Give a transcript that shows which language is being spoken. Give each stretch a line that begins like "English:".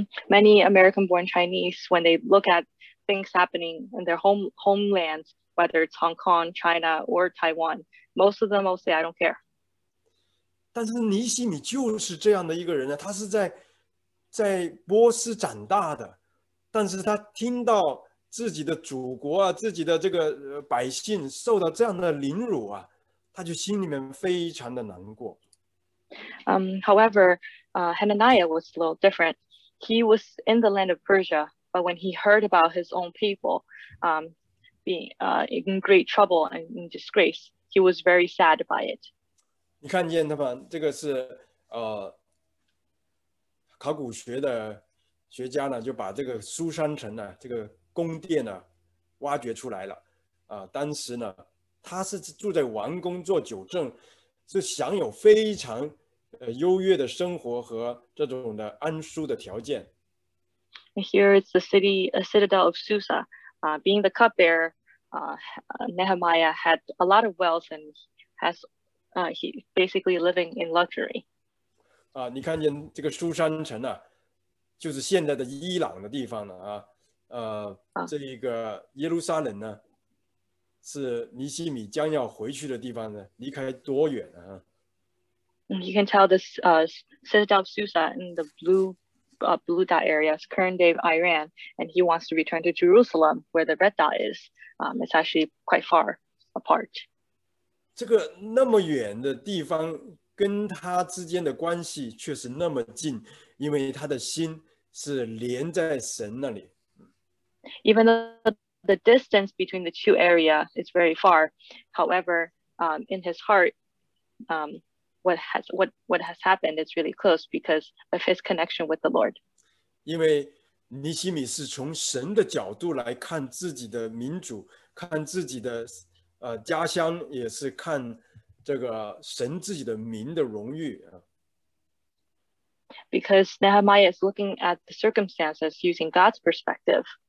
English: Many American-born Chinese, when they look at things happening in their homelands, whether it's Hong Kong, China, or Taiwan, most of them will say, "I don't care."
Chinese: 但是尼西米就是这样的一个人呢，他是在波斯长大的，但是他听到自己的祖国啊，自己的这个百姓受到这样的凌辱啊，他就心里面非常的难过。
English: However, Hananiah was a little different. He was in the land of Persia, but when he heard about his own people being in great trouble and in disgrace, he was very sad by it.
Chinese: 你看见他吗？这个是考古学的学家呢，就把这个苏珊城呢，这个宫殿呢，挖掘出来了。当时呢，他是住在王宫做酒政，是享有非常优越的生活和这种的安舒的条件。
English: Here is the city, a citadel of Susa. Being the cupbearer, Nehemiah had a lot of wealth and he basically living in luxury.
Chinese: 你看见这个苏珊城呢、啊，就是现在的伊朗的地方了啊。这一个耶路撒冷呢，是尼西米将要回去的地方呢，离开多远呢、啊？
English: You can tell this Citadel of Susa in the blue dot area is current day of Iran, and he wants to return to Jerusalem where the red dot is. It's actually quite far apart.
Chinese: 这个那么远的地方跟他之间的关系却是那么近, 因为他的心是连在神那里。
English: Even though the distance between the two areas is very far, however, in his heart, what has happened is really close because of his connection with the Lord.
Chinese: 因为尼希米是从神的角度来看自己的民族, 看自己的, 家乡, 也是看这个神自己的民的荣誉。
English: Because Nehemiah is looking at the circumstances using God's perspective.